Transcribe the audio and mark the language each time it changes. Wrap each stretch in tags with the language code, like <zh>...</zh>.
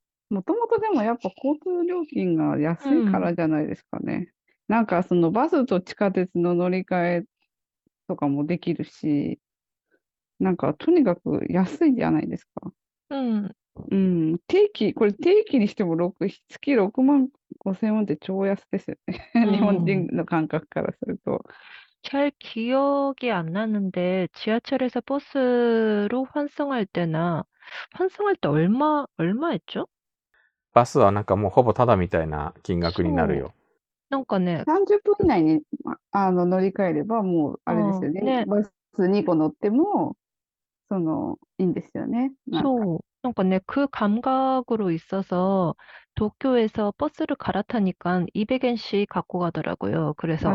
<ja>もともとでもやっぱ交通料金が安いからじゃないですかね、うん、なんかそのバスと地下鉄の乗り換えとかもできるし、なんかとにかく安いじゃないですか。うん、うん、定期これ定期にしても月6万5000ウォンって超安ですよね、うん、日本人の感覚からすると。</ja> <ko>잘 기억이 안 나는데 지하철에서 버스로 환승할 때나 환승할 때 얼마 했죠?</ko> <ja>버스はなんかもうほぼタダみたいな金額になるよ。なんかね、 30分以内にあの乗り換えればもうあれですよ ね、バス2個乗ってもそのいいんですよね。そう。なんかね、</ja> <ko>그감각으로있어서도쿄에서버스를갈아타니까200엔씩갖고가더라고요그래서</ko>